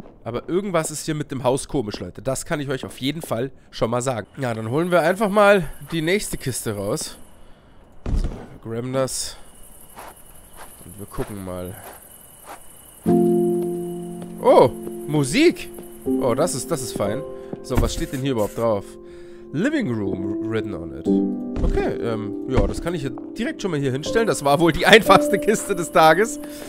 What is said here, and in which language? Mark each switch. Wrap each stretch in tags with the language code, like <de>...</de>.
<de>Aber irgendwas ist hier mit dem Haus komisch, Leute. Das kann ich euch auf jeden Fall schon mal sagen. Ja, dann holen wir einfach mal die nächste Kiste raus. So, graben das. Und wir gucken mal. Oh, Musik. Oh, das ist fein. So, was steht denn hier überhaupt drauf?</de> <en>Living Room written on it.</en> <de>Okay, ja, das kann ich hier direkt schon mal hier hinstellen. Das war wohl die einfachste Kiste des Tages.</de>